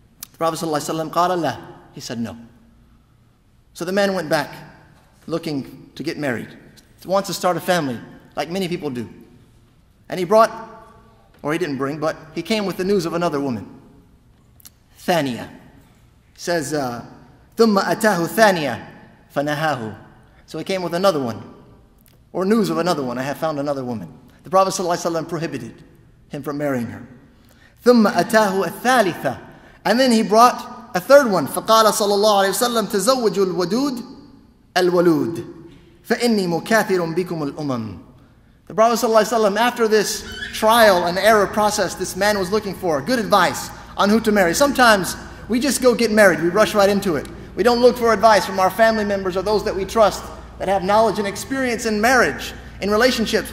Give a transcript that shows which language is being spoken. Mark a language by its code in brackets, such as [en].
[en] The Prophet sallallahu alaihi wasallam [ar] قَالَ لَا, [en] he said no. So the man went back looking to get married. He wants to start a family like many people do. And he brought, or he didn't bring, but he came with the news of another woman. [ar] ثانية. [en] Says, [ar] ثم أتاه ثانية فنهاه. [en] So he came with another one, or news of another one. I have found another woman. The Prophet sallallahu alaihi wasallam prohibited him from marrying her. [ar] ثم أتاه الثالثة. [en] And then he brought a third one. [ar] فقال صلى الله عليه وسلم تزوج الودود الولود فإني مكاثر بكم الأمم. [en] The Prophet sallallahu alaihi wasallam, after this trial and error process, this man was looking for good advice on who to marry. Sometimes we just go get married, we rush right into it. We don't look for advice from our family members or those that we trust that have knowledge and experience in marriage, in relationships.